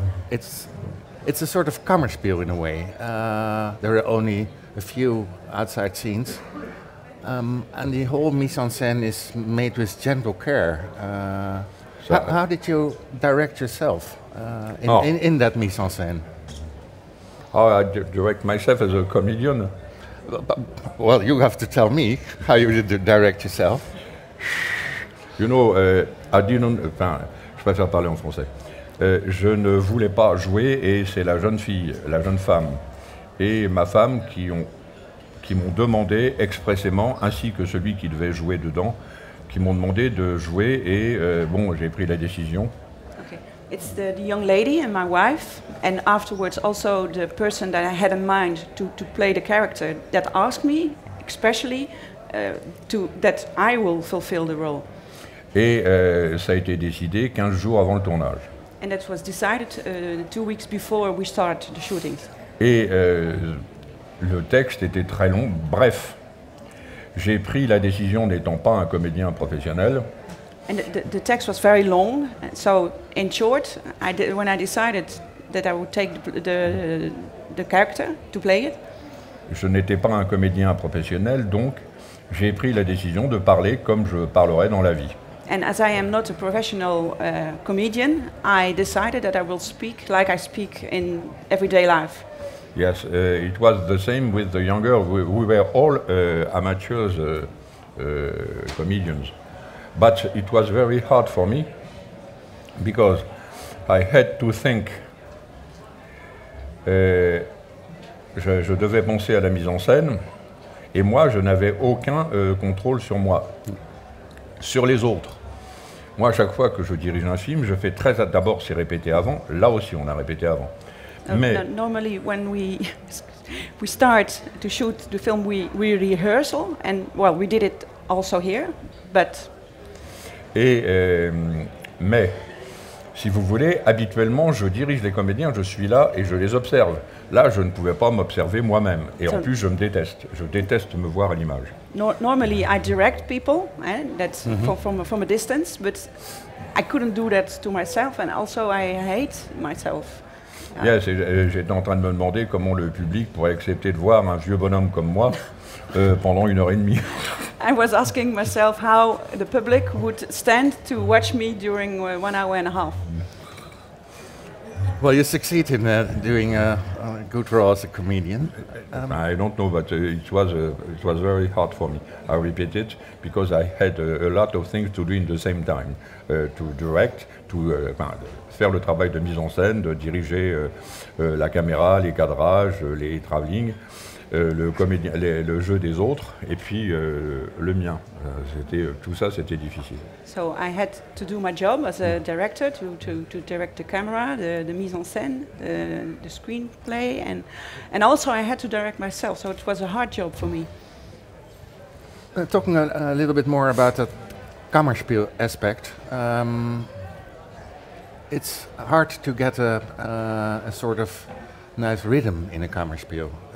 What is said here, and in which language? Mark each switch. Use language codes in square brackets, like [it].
[en] It's a sort of kammerspiel in a way. There are only a few outside scenes, and the whole mise-en-scène is made with gentle care. How did you direct yourself in that mise-en-scène? How I direct myself as a comedian? Well, you have to tell me how you did direct yourself. You know, I didn't... [fr] Enfin, je préfère parler en français. Je ne voulais pas jouer, et c'est la jeune fille, la jeune femme, et ma femme qui m'ont demandé expressément, ainsi que celui qui devait jouer dedans, qui m'ont demandé de jouer, et bon, j'ai pris la décision. [en] It's the young lady and my wife, and afterwards also the person that I had in mind to play the character, that asked me especially that I will fulfill the role. [fr] Et ça a été décidé 15 jours avant le tournage. [en] And it was decided 2 weeks before we start the shootings. [fr] Et le texte était très long, bref. J'ai pris la décision, n'étant pas un comédien professionnel. [en] And the text was very long, so in short, when I decided that I would take the character to play it. [fr] Je n'étais pas un comédien professionnel, donc j'ai pris la décision de parler comme je parlerais dans la vie. [en] And as I am not a professional comedian, I decided that I will speak like I speak in everyday life. Yes, it was the same with the young girl. We were all amateurs comedians. But it was very hard for me, because I had to think. [fr] Je devais penser à la mise en scène, et moi, je n'avais aucun contrôle sur moi, sur les autres. Moi, à chaque fois que je dirige un film, je fais très d'abord, c'est répété avant. Là aussi, on a répété avant. Mais [en] normally, when we start to shoot the film, we rehearsal, and well, we did it also here, but. [fr] Et mais, si vous voulez, habituellement, je dirige les comédiens, je suis là et je les observe. Là, je ne pouvais pas m'observer moi-même. Et [en] so [fr] en plus, je me déteste. Je déteste me voir à l'image. [en] Normally, I direct people, that's from a distance, but I couldn't do that to myself, and also I hate myself. Yes, [fr] j'étais en train de me demander comment le public pourrait accepter de voir un vieux bonhomme comme moi pendant une heure et demie. [en] I was asking myself how the public would stand to watch me during 1 hour and a half. Well, you succeed in doing a good role as a comedian. I don't know, but it was very hard for me. I repeat it, because I had a lot of things to do in the same time. To direct, to [fr] faire le travail de mise en scène, de diriger la caméra, les cadrages, les travelling. Le jeu des autres, et puis le mien. Tout ça, c'était difficile. [en] So I had to do my job as a director, to direct the camera, the mise en scène, the screenplay, and also I had to direct myself, so it was a hard job for me. Talking a little bit more about the kammerspiel aspect, it's hard to get a sort of nice rhythm in a kammerspiel.